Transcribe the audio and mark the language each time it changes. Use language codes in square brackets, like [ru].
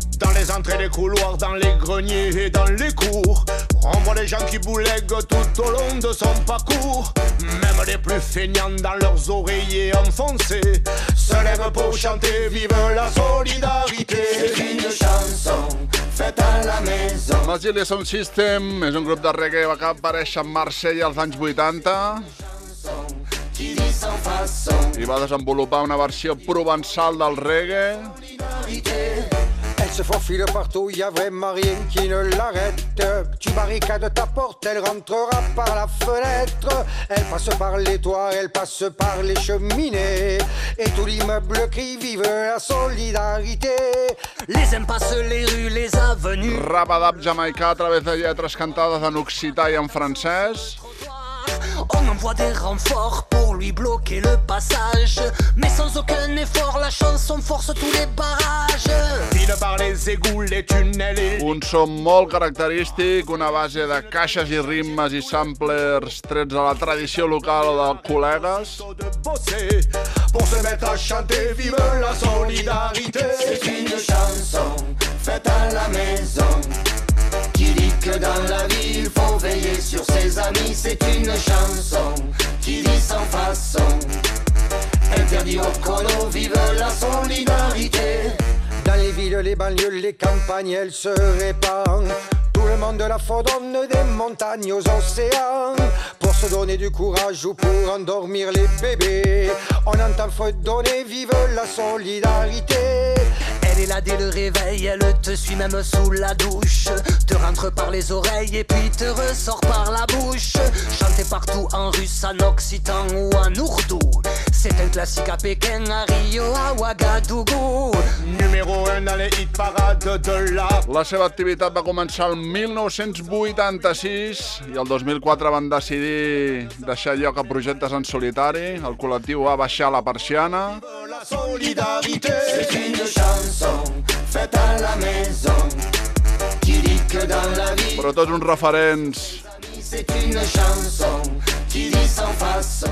[fr] Dans les entrées des couloirs, dans les greniers et dans les cours, on voit les gens qui bouleguent tout au long de son parcours. Même les plus feignants dans leurs oreillers enfoncés se lèvent pour chanter vive la solidarité. C'est une chanson faite à la maison. [ca] Masilia Sound System és un grup de reggae que va aparèixer en Marsella als anys 80. I va desenvolupar una versió provençal del reggae. [fr] Se faufile partout, y'a vraiment rien qui ne l'arrête. Tu barricades ta porte, elle rentrera par la fenêtre. Elle passe par les toits, elle passe par les cheminées, et tout l'immeuble crie vive la solidarité. Les impasses, les rues, les avenues. [ca] Rap adapt jamaïcà a través de lletres cantades en occità i en francès. [fr] On envoie des renforts pour lui bloquer le passage, mais sans aucun effort la chanson force tous les barrages. Vine par les égouts, les tunnels. [ca] Un son molt característic, una base de caixes i ritmes i samplers trets de la tradició local o de col·legues. [fr] Pour se mettre à chanter vive la solidarité. C'est une chanson faite à la maison, qui dit que dans la vie il faut veiller sur ses amis. C'est une chanson qui dit sans façon, interdit au chrono, vive la solidarité. Dans les villes, les banlieues, les campagnes, elle se répand. Tout le monde la fredonne des montagnes aux océans. Pour se donner du courage ou pour endormir les bébés, on entend fredonner vive la solidarité. Elle est là dès le réveil, elle te suit même sous la douche, te rentre par les oreilles et puis te ressort par la bouche. Chanter partout en russe, en occitan ou en ourdou, c'est un classique à Pékin, à Rio, à Ouagadougou. Numéro 1 dans les hit parades de la... [ca] La seva activitat va començar el 1986 i el 2004 van decidir deixar lloc a projectes en solitari. El col·lectiu va baixar la persiana. [fr] La solidarité. C'est une chanson faite à la maison, qui dit que dans la vie... [ca] Però tots uns referents. [fr] C'est une chanson qui dit sans façon.